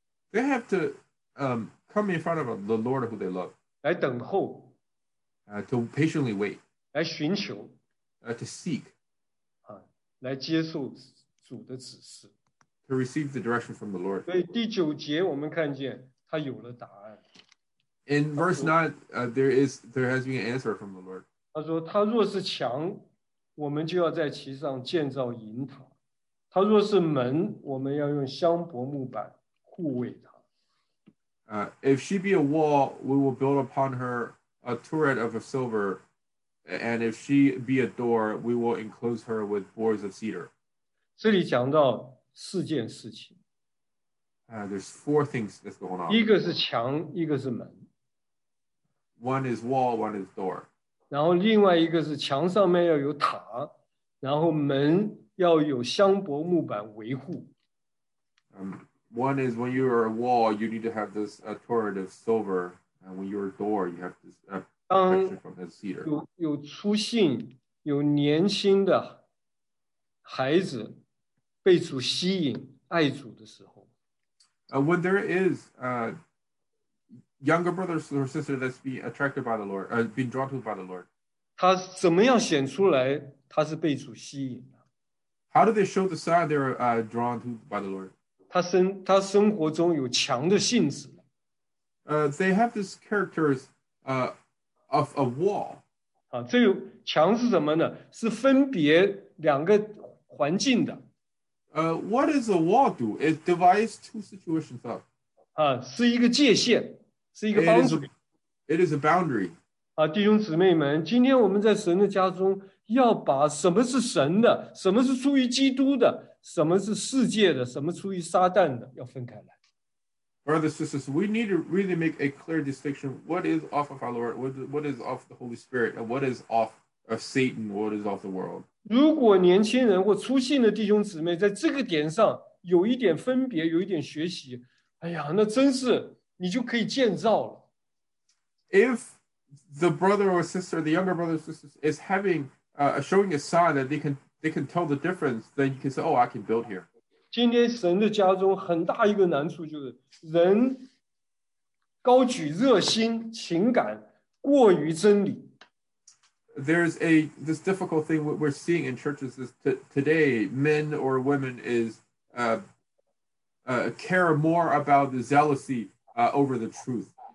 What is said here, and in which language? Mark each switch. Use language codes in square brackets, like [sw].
[en] They have to come in front of the Lord who they love. [zh] 来等候, [en] to patiently wait. [zh] 来寻求, [en] to seek. [zh] 啊, 来接受主的指示, [en] to receive the direction from the Lord. [zh] 所以第九节我们看见, 他有了答案, [en] in verse 9, there has been an answer from the Lord. [zh] 他说, 他若是墙, 我们就要在其上建造营塔。他若是门, 我们要用香柏木板护卫它。 [en] If she be a wall, we will build upon her a turret of silver. And if she be a door, we will enclose her with boards of cedar. [zh] 这里讲到四件事情。 [en] There's four things that's going on. [zh] 一个是墙, 一个是门。 [en] One is wall, one is door. [zh] 然后另外一个是墙上面要有塔, 然后门要有香柏木板维护。 [en] One is when you are a wall, you need to have this turret of silver, and when you are a door, you have this protection from the cedar. [zh] 有出信, 有年轻的孩子, 被主吸引, 爱主的时候。 [en] When there is younger brothers or sisters that's being attracted by the Lord, being drawn to by the Lord. [zh] 他怎么样显出来, 他是被主吸引的? [en] How do they show the sign they're drawn to by the Lord? [zh] 他生活中有墙的性质。 [en] They have this characters of a wall. [zh] 啊, 这个墙是什么呢?是分别两个环境的。 [en] What does a wall do? It divides two situations up. [zh] 啊, 是一个界限, 是一个boundary. [en] It is a boundary. [zh] 弟兄姊妹们, 今天我们在神的家中, 要把什么是神的, 什么是出于基督的, 什么是世界的, 什么出于撒旦的, 要分开来。 [en] Brothers, sisters, we need to really make a clear distinction. What is off of our Lord? What is off the Holy Spirit? And what is off of Satan? What is off the world? [zh] 如果年轻人或出信的弟兄姊妹, 在这个点上, 有一点分别, 有一点学习, 哎呀, 那真是, 你就可以建造了。 [en] If the brother or sister, the younger brother or sister is having showing a sign that they can tell the difference, then you can say, oh, I can build here. [zh] 今天神的家中很大一个难处就是人高举热心, 情感, 过于真理。 [en] There's this difficult thing what we're seeing in churches is today, men or women is care more about the zealousy over the truth.